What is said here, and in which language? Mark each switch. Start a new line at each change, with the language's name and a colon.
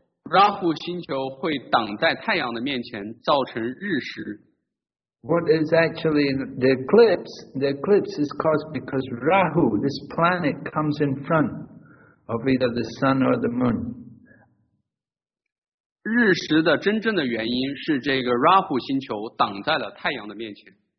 Chinese: Rahu 星球会挡在太阳的面前，造成日食。
English: What is actually the eclipse? The eclipse is caused because Rahu, this planet, comes in front of either the sun or the moon,
Chinese: 日食的真正的原因是这个 Rahu 星球挡在了太阳的面前。